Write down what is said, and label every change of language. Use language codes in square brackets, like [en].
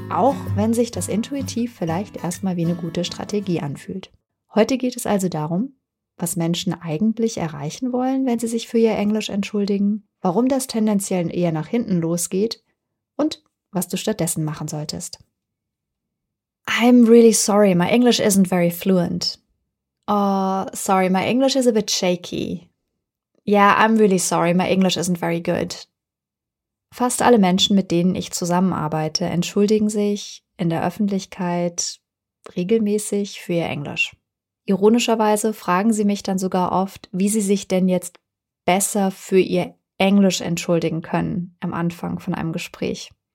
[de] Auch wenn sich das intuitiv vielleicht erstmal wie eine gute Strategie anfühlt. Heute geht es also darum, was Menschen eigentlich erreichen wollen, wenn sie sich für ihr Englisch entschuldigen, warum das tendenziell eher nach hinten losgeht und was du stattdessen machen solltest. [en] I'm really sorry, my English isn't very fluent. Oh, sorry, my English is a bit shaky. Yeah, I'm really sorry, my English isn't very good. [de] Fast alle Menschen, mit denen ich zusammenarbeite, entschuldigen sich in der Öffentlichkeit regelmäßig für ihr Englisch. Ironischerweise fragen sie mich dann sogar oft, wie sie sich denn jetzt besser für ihr Englisch entschuldigen können am Anfang von einem Gespräch.